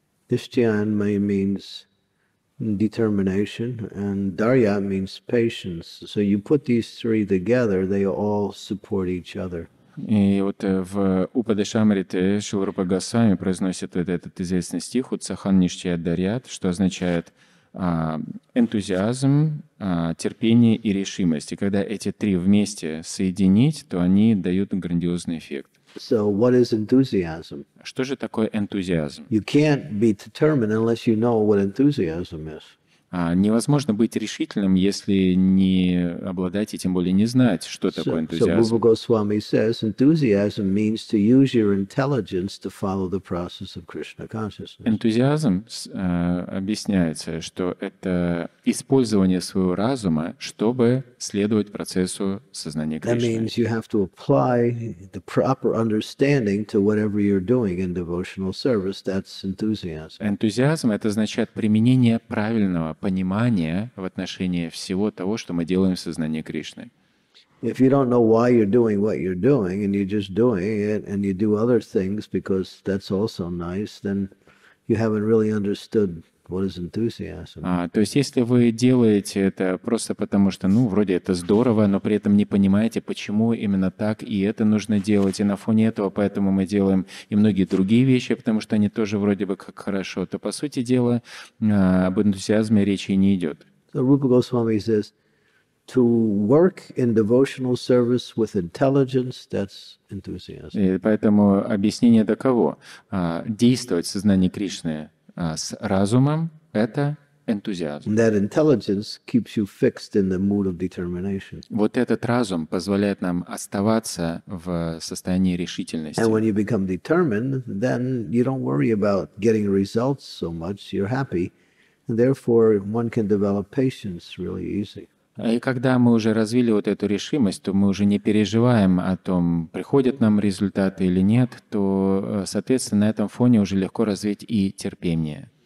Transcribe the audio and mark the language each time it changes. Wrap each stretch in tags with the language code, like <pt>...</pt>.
<en>Nishchayan may means determination, and Darya means patience. So you put these three together, they all support each other.</en> <ru>И вот в Упадешамрите Шрила Рупа Госвами произносит вот этот известный стих «Утсахан ништья дарьят», что означает энтузиазм, терпение и решимость. И когда эти три вместе соединить, то они дают грандиозный эффект.</ru> <en>So what is enthusiasm?</en> <ru>Что же такое энтузиазм?</ru> <en>You can't be determined unless you know what enthusiasm is.</en> <ru>Невозможно быть решительным, если не обладать и тем более не знать, что такое энтузиазм.</ru> <en>So Rupa Goswami says, enthusiasm means to use your intelligence to follow the process of Krishna consciousness.</en> <ru>Энтузиазм объясняется, что это использование своего разума, чтобы следовать процессу сознания Кришны.</ru> <en>That means you have to apply the proper understanding to whatever you're doing in devotional service. That's enthusiasm.</en> <ru>Энтузиазм — это означает применение правильного понимание в отношении всего того, что мы делаем в сознании Кришны.</ru> <en>If you don't know why you're doing what you're doing, and you're just doing it, and you do other things because that's also nice, then you haven't really understood what is enthusiasm.</en> <ru>То есть, если вы делаете это просто потому, что, ну, вроде это здорово, но при этом не понимаете, почему именно так и это нужно делать, и на фоне этого поэтому мы делаем и многие другие вещи, потому что они тоже вроде бы как хорошо, то, по сути дела, об энтузиазме речи не идет.</ru> <en>So Rupa Goswami says, to work in devotional service with intelligence, that's enthusiasm.</en> <ru>И поэтому объяснение таково. Действовать в сознании Кришны с разумом — это энтузиазм.</ru> <en>That intelligence keeps you fixed in the mood of determination.</en> <ru>Вот этот разум позволяет нам оставаться в состоянии решительности.</ru> <en>And when you become determined, then you don't worry about getting results so much, you're happy. And therefore, one can develop patience really easy.</en> <ru>И когда мы уже развили вот эту решимость, то мы уже не переживаем о том, приходят нам результаты или нет, то, соответственно, на этом фоне уже легко развить и терпение.</ru>